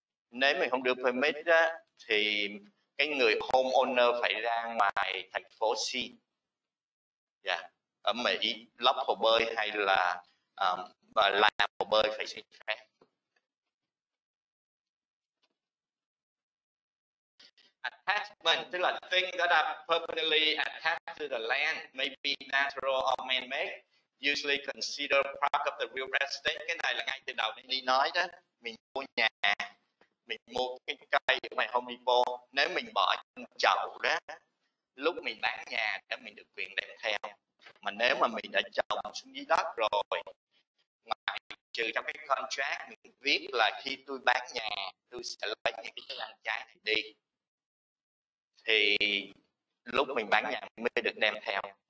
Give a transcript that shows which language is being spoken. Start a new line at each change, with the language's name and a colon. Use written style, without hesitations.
Vietnamese: Nếu mình không đưa permit đó thì cái người homeowner phải ra ngoài thành phố C. Dạ. Ở Mỹ lắp hồ bơi hay là làm hồ bơi phải xin phép.
English: Attachment tức là things that are permanently attached to the land, maybe natural or man-made, usually considered part of the real estate.
Vietnamese: Cái này là ngay từ đầu mình đi nói đó, mình mua nhà, mình mua cái cây ở ngoài Home Depot, nếu mình bỏ trong chậu đó, lúc mình bán nhà thì mình được quyền đem theo. Mà nếu mà mình đã trồng xuống dưới đất rồi, ngoại trừ trong cái contract mình viết là khi tôi bán nhà tôi sẽ lấy những cái đằng trái này đi, thì lúc mình bán nhà mới được đem theo.